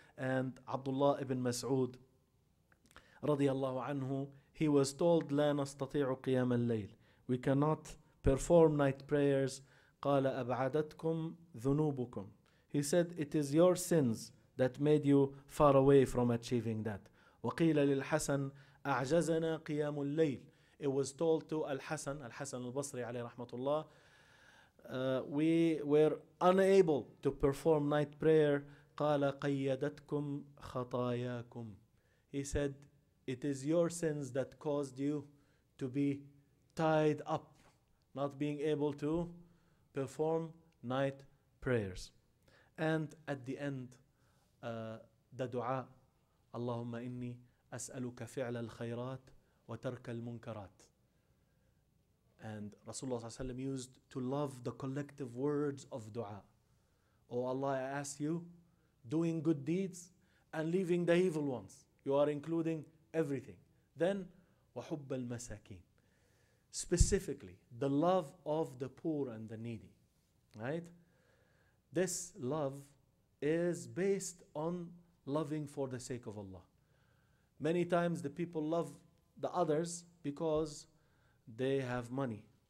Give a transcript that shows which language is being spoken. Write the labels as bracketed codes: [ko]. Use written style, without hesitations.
[en] And Abdullah ibn Mas'ud radiallahu anhu, he was told, [ar] لا نستطيع قيام الليل. [en] We cannot perform night prayers. [ar] قال أبعدتكم ذنوبكم. [en] He said, it is your sins that made you far away from achieving that. [ar] وقيل للحسن أعجزنا قيام الليل. [en] It was told to Al-Hasan, Al-Hasan al-Basri عليه رحمة الله, we were unable to perform night prayer. [ar] قال قيدتكم خطاياكم. [en] He said, it is your sins that caused you to be tied up, not being able to perform night prayers. And at the end, the dua, [ar] اللهم إني أسألك فعل الخيرات وترك المنكرات. [en] And Rasulullah صلى الله عليه وسلم used to love the collective words of dua. Oh Allah, I ask you, doing good deeds and leaving the evil ones. You are including everything. Then, [ar] وحب المساكين. [en] Specifically, the love of the poor and the needy. Right? This love is based on loving for the sake of Allah. Many times the people love the others because they have money.